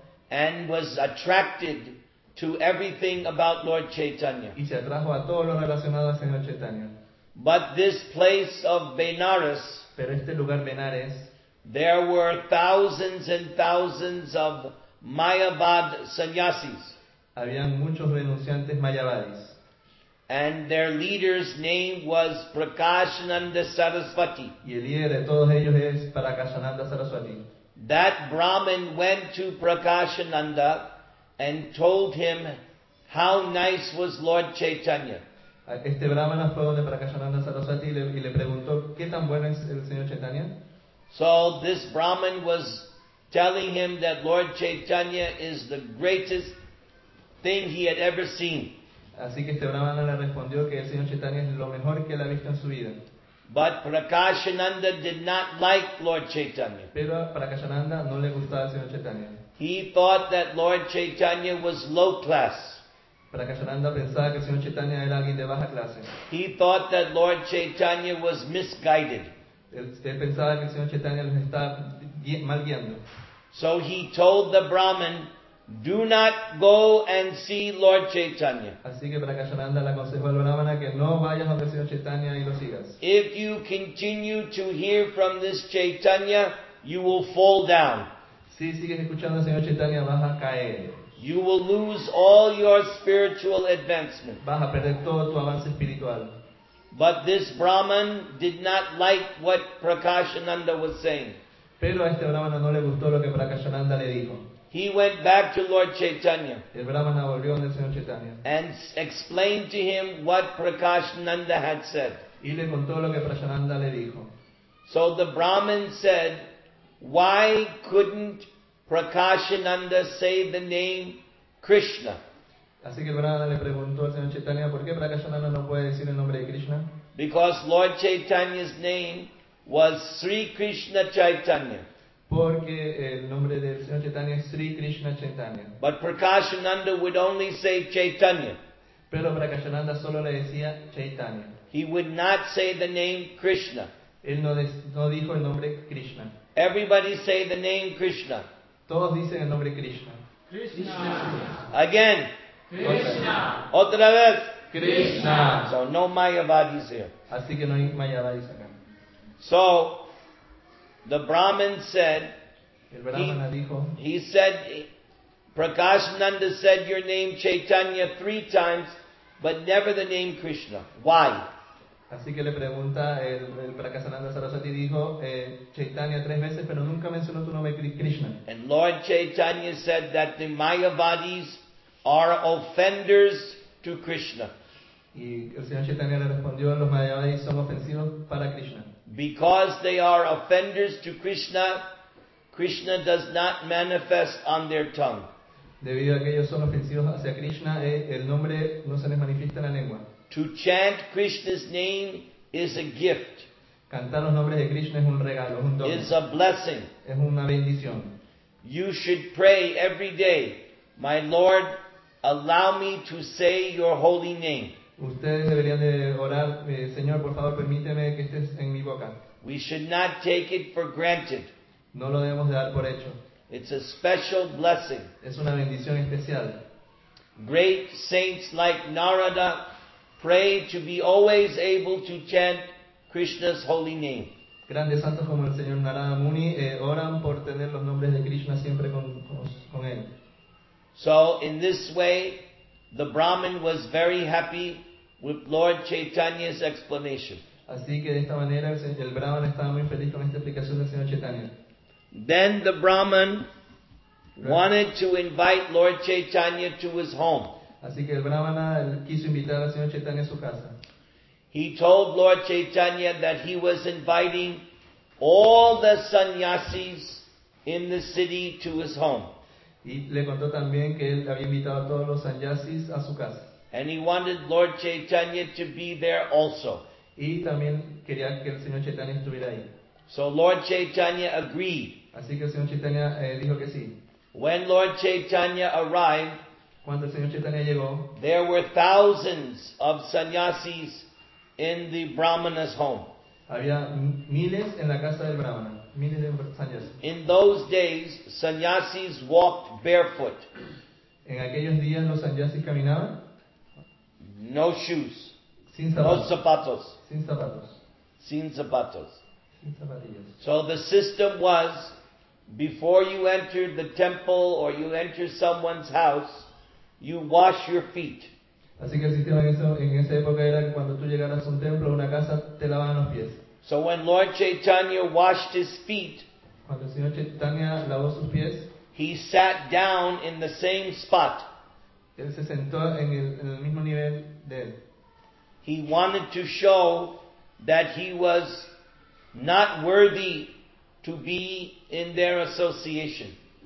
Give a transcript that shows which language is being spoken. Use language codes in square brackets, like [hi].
[en] And was attracted to everything about Lord Chaitanya. [es] Y se atrajo a todo lo relacionado al señor Chaitanya. [en] But this place of Benares. [es] Pero este lugar Benares. [en] There were thousands and thousands of Mayavad sannyasis. [es] Habían muchos renunciantes mayavadis. [en] And their leader's name was Prakashananda Sarasvati. [es] Y el líder de todos ellos es Prakashananda Sarasvati. [en] That Brahmin went to Prakashananda and told him how nice was Lord Chaitanya. [es] Este Brahmana fue donde Prakashananda Sarasvati y le preguntó qué tan bueno es el señor Chaitanya. [en] So this Brahmin was telling him that Lord Chaitanya is the greatest thing he had ever seen. [es] Así que este Brahmana le respondió que el señor Chaitanya es lo mejor que él ha visto en su vida. [en] But Prakashananda did not like Lord Chaitanya. [es] Pero Prakashananda no le gustaba al señor Chaitanya. [en] He thought that Lord Chaitanya was low class. [es] Prakashananda pensaba que el señor Chaitanya era alguien de baja clase. [en] He thought that Lord Chaitanya was misguided. [es] Él pensaba que el señor Chaitanya los estaba mal guiando. [en] So he told the Brahmin, do not go and see Lord Chaitanya. [es] Así que Prakashananda le aconsejó al Brahmana que no vayas donde el señor Chaitanya y lo sigas. [en] If you continue to hear from this Chaitanya, you will fall down. [es] Si sigues escuchando al señor Chaitanya, vas a caer. [en] You will lose all your spiritual advancement. [es] Vas a perder todo tu avance espiritual. [en] But this Brahman did not like what Prakashananda was saying. [es] Pero a este Brahmana no le gustó lo que Prakashananda le dijo. [en] He went back to Lord Chaitanya. [es] El Brahmana volvió donde el señor Chaitanya. [en] And explained to him what Prakashananda had said. [es] Y le contó lo que Prakashananda le dijo. [en] So the Brahman said, why couldn't Prakashananda say the name Krishna? [es] Así que el Brahmana le preguntó al señor Chaitanya, ¿por qué Prakashananda no puede decir el nombre de Krishna? [en] Because Lord Chaitanya's name was Sri Krishna Chaitanya. [es] Porque el nombre del señor Chaitanya es Sri Krishna Chaitanya. [en] But Prakashananda would only say Chaitanya. [es] Pero Prakashananda solo le decía Chaitanya. [en] He would not say the name Krishna. [es] Él no dijo el nombre Krishna. [en] Everybody say the name Krishna. [es] Todos dicen el nombre Krishna. [en] Krishna. Again. Krishna. [es] Otra vez. [en] Krishna. So no Mayavadis here. [es] Así que no hay Mayavadis acá. [en] So, the Brahmin said, [es] el Brahmana dijo, [en] he said, Prakashananda said your name Chaitanya 3 times, but never the name Krishna. Why? [es] Así que le pregunta el Prakashananda Sarasvati dijo, Chaitanya 3 veces, pero nunca mencionó tu nombre Krishna. [en] And Lord Chaitanya said that the Mayavadis are offenders to Krishna. [es] Y el señor Chaitanya le respondió, los mayavadis son ofensivos para Krishna. [en] Because they are offenders to Krishna, Krishna does not manifest on their tongue. [es] Debido a que ellos son ofensivos hacia Krishna, el nombre no se les manifiesta en la lengua. [en] To chant Krishna's name is a gift. [es] Cantar los nombres de Krishna es un regalo, es un don. [en] It's a blessing. [es] Es una bendición. [en] You should pray every day, my Lord, allow me to say your holy name. [es] Ustedes deberían de orar, Señor, por favor, permíteme que estés en mi boca. [en] We should not take it for granted. [es] No lo debemos de dar por hecho. [en] It's a special blessing. [es] Es una bendición especial. [en] Great saints like Narada pray to be always able to chant Krishna's holy name. [es] Grandes santos como el señor Narada Muni oran por tener los nombres de Krishna siempre con él. [en] So in this way, the Brahmin was very happy with Lord Chaitanya's explanation. [es] Así que de esta manera el Brahman estaba muy feliz con esta explicación del señor Chaitanya. [en] Then the Brahmin wanted to invite Lord Chaitanya to his home. [es] Así que el Brahmana quiso invitar al señor Chaitanya a su casa. [en] He told Lord Chaitanya that he was inviting all the sannyasis in the city to his home. [es] Y le contó también que él había invitado a todos los sannyasis a su casa. [en] And he wanted Lord Chaitanya to be there also. [es] Y también quería que el señor Chaitanya estuviera ahí. [en] So Lord Chaitanya agreed. [es] Así que el señor Chaitanya dijo que sí. [en] When Lord Chaitanya arrived, [es] cuando el señor Chaitanya llegó, [en] there were thousands of sannyasis in the Brahmana's home. [es] Había miles en la casa del Brahmana, miles de sannyasis. [en] In those days, sannyasis walked barefoot. [es] En aquellos días los sannyasis caminaban. [en] No shoes. [es] Sin zapatos. No zapatos. Sin zapatos. Sin zapatos. Sin zapatillas. [en] So the system was, before you enter the temple or you enter someone's house, you wash your feet. [es] Así que el sistema en esa época era que cuando tú llegaras a un templo o una casa, te lavaban los pies. [en] So when Lord Chaitanya washed his feet, [es] cuando el señor Chaitanya lavó sus pies, [en] he sat down in the same spot. [es] Él se sentó en el mismo nivel de él. [en] He wanted to show that he was not worthy to be in their association.